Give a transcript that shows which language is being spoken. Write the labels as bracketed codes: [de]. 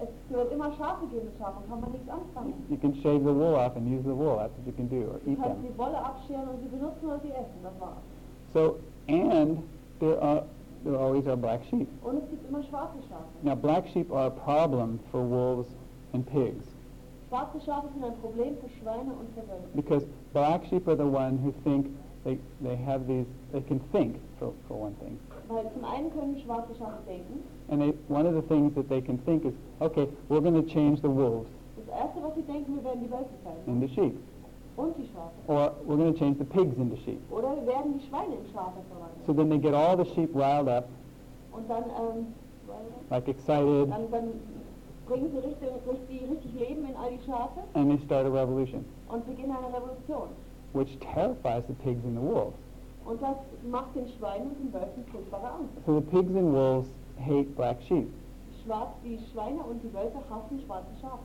[en] You can shave the wool off and use the wool. That's what you can do, or eat them. So, and there always are black sheep. [de] Und es gibt immer schwarze Schafe. [en] Now, black sheep are a problem for wolves and pigs. [de] Schwarze Schafe sind ein Problem für Schweine und für Wölfe. [en] Because black sheep are the ones who think they have these, they can think, for one thing. [de] Weil zum einen können schwarze Schafe denken. [en] And one of the things that they can think is, okay, we're going to change the wolves. [de] Das Erste, was sie denken, wir werden die Wölfe verändern. [en] And the sheep. [de] Und die Schafe. [en] Or we're going to change the pigs into sheep. [de] Oder wir werden die Schweine in Schafe verwandeln. [en] So then they get all the sheep riled up. [de] Und dann, [en] like excited. [de] Dann bringen sie richtig Leben in all die Schafe. [en] And they start a revolution. [de] Und beginnen eine Revolution. [en] Which terrifies the pigs and the wolves. [de] Und das macht den Schweinen und den Wölfen furchtbare Angst. [en] So the pigs and wolves hate black sheep. [de] Die Schweine und die Wölfe hassen schwarze Schafe.